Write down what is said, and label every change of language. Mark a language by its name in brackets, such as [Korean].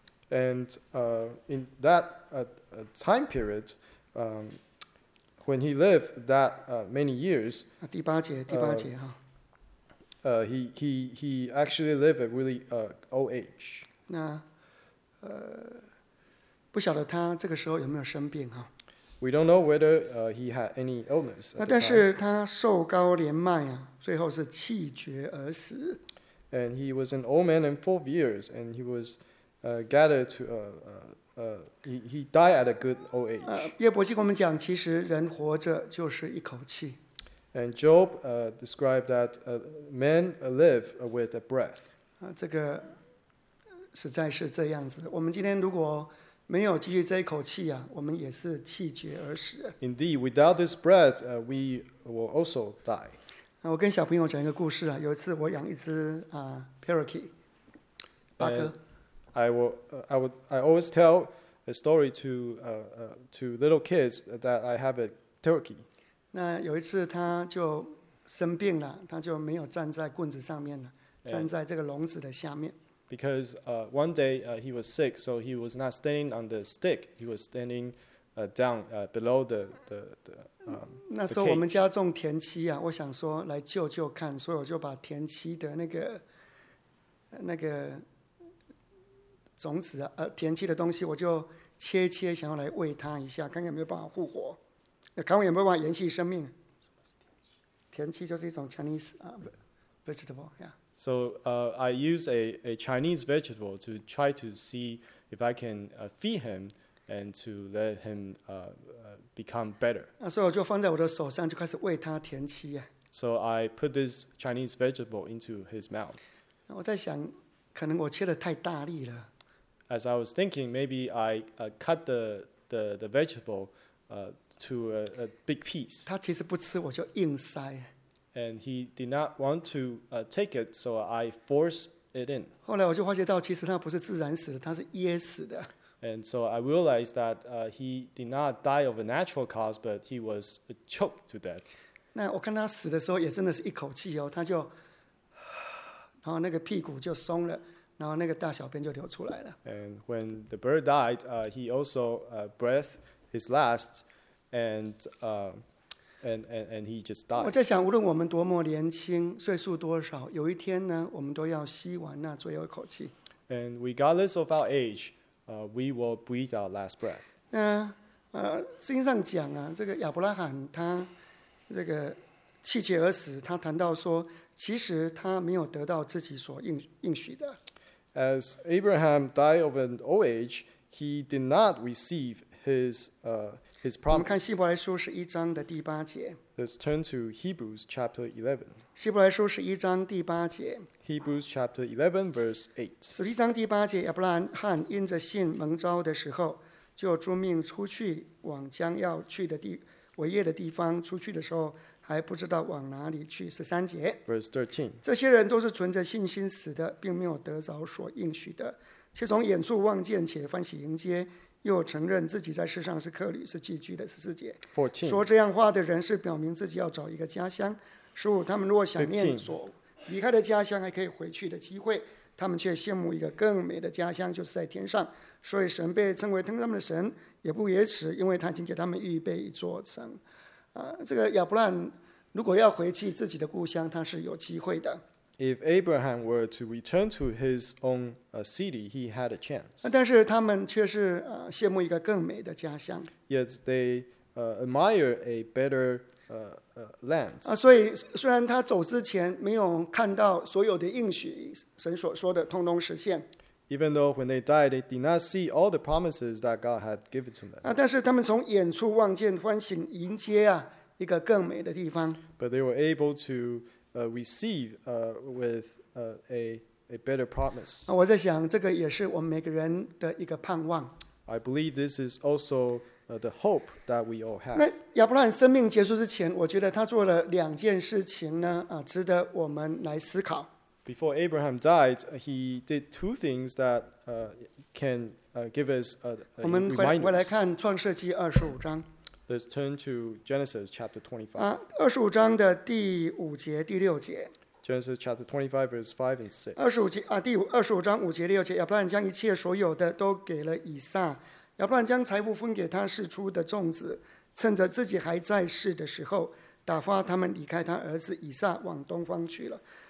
[English] And in that time period, when he lived that many years, [Chinese] 第八节哈。 [English] He actually lived a really old age. [Chinese] 那不晓得他这个时候有没有生病哈。 [English] We don't know whether he had any illness. [Chinese] 那但是他瘦高年迈最后是气绝而死。 [English] And he was an old man in 4 years, and he was. Gathered to he died at a good old age. [Chinese] 约伯记我们讲，其实人活着就是一口气。 [English] And Job described that man live with a breath. [Chinese] 这个实在是这样子。我们今天如果没有继续这一口气我们也是气绝而死。 [English] Indeed, without this breath, we will also die. [Chinese] 我跟小朋友讲一个故事有一次我养一只parakeet, 八哥。 [English] I always tell a story to little kids that I have a turkey. [Chinese] 那有一次他就生病了，他就没有站在棍子上面了，站在这个笼子的下面。 [English] Because one day he was sick, so he was not standing on the stick. He was standing down below the cage. [Chinese] 那时候我们家种田七啊，我想说来救救看，所以我就把田七的那个种子田七的东西，我就切切，想要来喂他一下，看看有没有办法复活，看我有没有办法延续生命。田七就是一种 [English] Chinese vegetable, yeah. So I use a Chinese vegetable to try to see if I can feed him and to let him become better. [Chinese] 所以我就放在我的手上就开始喂他田七啊。 [English] So I put this Chinese vegetable into his mouth. [Chinese] 我在想，可能我切得太大力了。 [English] As I was thinking, maybe I cut the vegetable to a big piece. [Chinese] 他其实不吃，我就硬塞。 [English] And he did not want to take it, so I forced it in. [Chinese] 后来我就发觉到，其实他不是自然死的，他是噎死的。 [English] And so I realized that he did not die of a natural cause, but he was choked to death. [Chinese] 那我看他死的时候，也真的是一口气哦，他就，然后那个屁股就松了，然后那个大小便就流出来了。 [English] And when the bird died, he also breathed his last, and he just died. [Chinese] 我在想，无论我们多么年轻，岁数多少，有一天呢，我们都要吸完那最后一口气。 [English] And regardless of our age, we will breathe our last breath. [Chinese] 那圣经上讲啊，这个亚伯拉罕他这个弃妻而死，他谈到说，其实他没有得到自己所应许的。 [English] As Abraham died of an old age, he did not receive his His promise. [Chinese] 我们看希伯来书十一章的第八节。 [English] Let's turn to Hebrews chapter 11. [Chinese] 希伯来书十一章第八节。 [English] Hebrews chapter 11 verse 8. [Chinese] 十一章第八节，亚伯拉罕因着信蒙召的时候，就遵命出去往将要去的地为业的地方。出去的时候还不知道往哪里去。十三节。 [English] Verse 13. [Chinese] 这些人都是存着信心死的，并没有得着所应许的，却从远处望见且欢喜迎接。又承认自己在世上是客旅，是寄居的。十四节， [English] 14. [Chinese] 说这样话的人是表明自己要找一个家乡。十五，他们若想念所离开的家乡，还可以回去的机会，他们却羡慕一个更美的家乡，就是在天上。所以神被称为他们的神，也不延迟，因为他已经给他们预备一座城。这个亚伯拉罕如果要回去自己的故乡，他是有机会的。 [English] If Abraham were to return to his own city, he had a chance. [Chinese] 但是他们却是羡慕一个更美的家乡。 [English] Yet they admire a better land. [Chinese] 所以虽然他走之前没有看到所有的应许，神所说的通通实现。 [English] Even though when they died, they did not see all the promises that God had given to them. [Chinese] 但是他们从远处望见欢喜迎接一个更美的地方。 [English] But they were able to receive with a better promise. [Chinese] 我在想，这个也是我们每个人的一个盼望。 [English] I believe this is also the hope that we all have. [Chinese] 那亚伯拉罕生命结束之前，我觉得他做了两件事情呢，值得我们来思考。 [English] Before Abraham died, he did two things that can give us a reminder. [Chinese] 我们回来看创世纪二十五章。 [English] Let's turn to Genesis chapter 25. [Chinese] 25章的第五节、第六节。 [English] Genesis chapter 25, verse 5 and 6. [Chinese] 25章五节、六节，亚伯拉罕将一切所有的都给了以撒。亚伯拉罕将财富分给他释出的众子，趁着自己还在世的时候，打发他们离开他儿子以撒往东方去了。